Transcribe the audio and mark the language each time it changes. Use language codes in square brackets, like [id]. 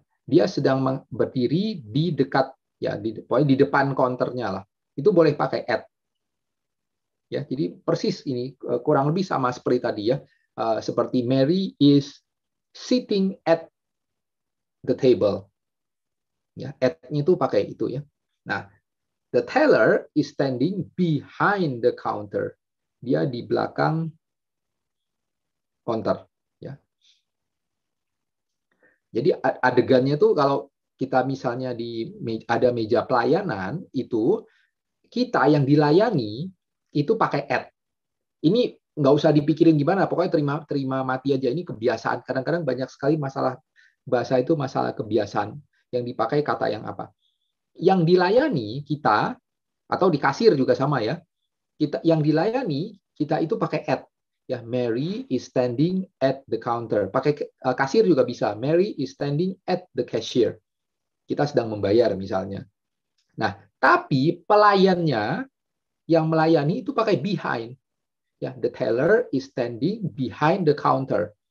[id] Dia sedang berdiri di dekat ya, di depan counternya lah. Itu boleh pakai at. Ya, jadi persis ini kurang lebih sama seperti tadi ya. Seperti [en] Mary is sitting at the table. [id] Ya, at-nya itu pakai itu ya. [en] Nah, the teller is standing behind the counter. [id] Dia di belakang counter. Ya. Jadi adegannya tuh kalau kita misalnya di ada meja pelayanan itu kita yang dilayani itu pakai at. Ini nggak usah dipikirin gimana, pokoknya terima terima mati aja. Ini kebiasaan. Kadang-kadang banyak sekali masalah bahasa itu masalah kebiasaan yang dipakai kata yang apa. Yang dilayani kita atau di kasir juga sama ya. Kita yang dilayani kita itu pakai at. Ya, [en] Mary is standing at the counter. [id] Pakai kasir juga bisa. [en] Mary is standing at the cashier. [id] Kita sedang membayar misalnya. Nah, tapi pelayannya yang melayani itu pakai behind. [en] Ya, the teller is standing behind the counter.